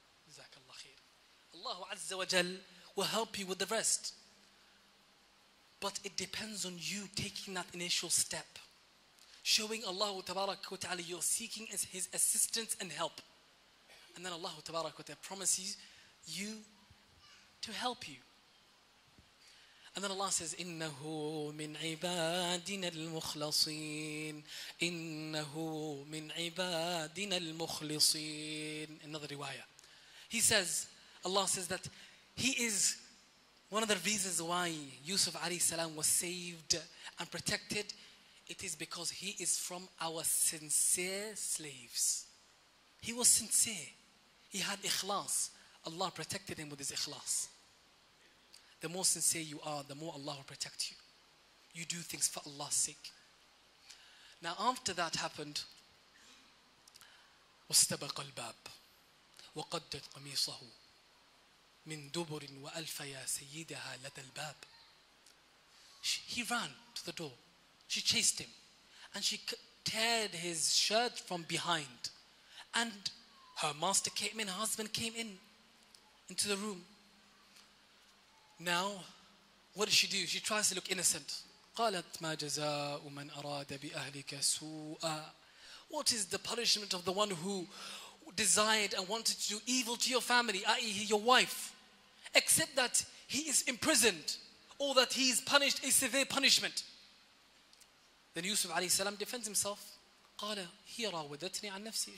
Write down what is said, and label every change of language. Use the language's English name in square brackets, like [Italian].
[English] Jazakallah khair. Allahu Azza wa Jal will help you with the rest. But it depends on you taking that initial step. Showing Allahu Tabarak wa Ta'ala you're seeking his assistance and help. And then Allahu Tabarak wa Ta'ala promises you to help you. And then Allah says, [Arabic] إِنَّهُ مِنْ عِبَادِنَا الْمُخْلَصِينَ إِنَّهُ مِنْ عِبَادِنَا الْمُخْلِصِينَ. [English] Another riwayah. He says, Allah says that he is one of the reasons why Yusuf alayhi salam was saved and protected. It is because he is from our sincere slaves. He was sincere. He had ikhlas. Allah protected him with his ikhlas. The more sincere you are, the more Allah will protect you. You do things for Allah's sake. Now after that happened, [Arabic] وَاسْتَبَقَ الْبَابِ. وقدت قميصه من دبر وألف يا سيدها لدى الباب. [English] He ran to the door. She chased him. And she teared his shirt from behind. And her master came in, her husband came in into the room. Now, what does she do? She tries to look innocent. [Arabic] قالت ما جزاء من أراد بأهلك سوءا. [English] What is the punishment of the one who desired and wanted to do evil to your family, i.e. your wife, except that he is imprisoned or that he is punished a severe punishment? Then Yusuf [Arabic] عليه السلام [English] defends himself. [Arabic] قال هي راودتني عن نفسي.